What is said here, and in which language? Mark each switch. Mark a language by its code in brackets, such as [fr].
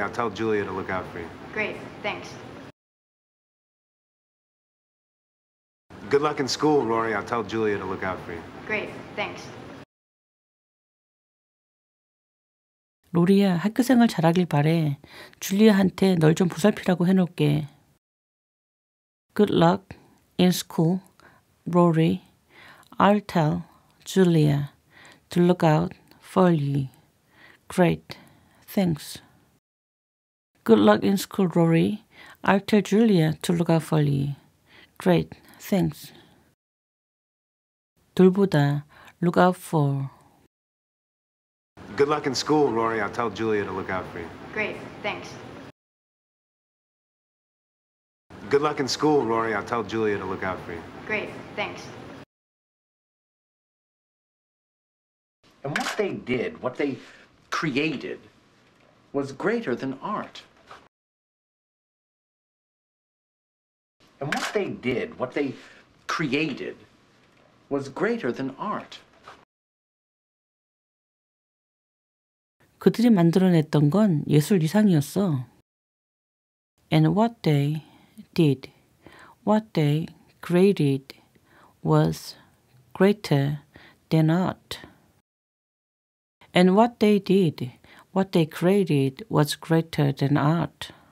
[en] I'll tell Julia to look out for you. Great, thanks. Good luck in school, Rory. I'll tell Julia to look out for you. Great, thanks. [ko] 로리야, 학교생활 잘하길 바래. 줄리아한테 널 좀 보살피라고 해놓을게. [en] Good luck in school, Rory. I'll tell Julia to look out for you. Great, thanks. Good luck in school, Rory. I'll tell Julia to look out for you. Great, thanks. 돌보다, look out for. Good luck in school, Rory. I'll tell Julia to look out for you. Great, thanks. Good luck in school, Rory. I'll tell Julia to look out for you. Great, thanks. And what they did, what they created, was greater than art. And what they did, what they created, was greater than art. [ko] 그들이 만들어냈던 건 예술 이상이었어. [en] And what they did, what they created was greater than art. And what they did, what they created was greater than art.